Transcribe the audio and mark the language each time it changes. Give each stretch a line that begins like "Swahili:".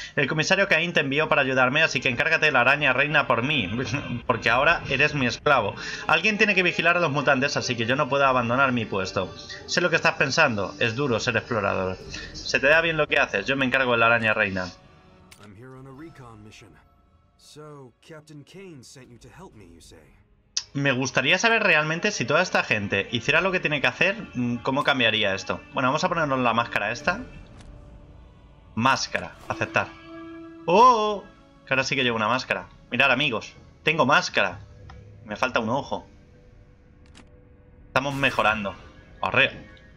Spanish: El comisario Caín te envió para ayudarme, así que encárgate de la araña reina por mí, porque ahora eres mi esclavo. Alguien tiene que vigilar a los mutantes, así que yo no puedo abandonar mi puesto. Sé lo que estás pensando. Es duro ser explorador. Se te da bien lo que haces. Yo me encargo de la araña reina.
English: I'm here on a recon mission. So, Captain Kane sent you to help me, you say.
Spanish: Me gustaría saber realmente si toda esta gente hiciera lo que tiene que hacer, ¿cómo cambiaría esto? Bueno, vamos a ponernos la máscara esta. Máscara. Aceptar. ¡Oh! Que ahora sí que llevo una máscara. Mirad, amigos. Tengo máscara. Me falta un ojo. Estamos mejorando. ¡Arre!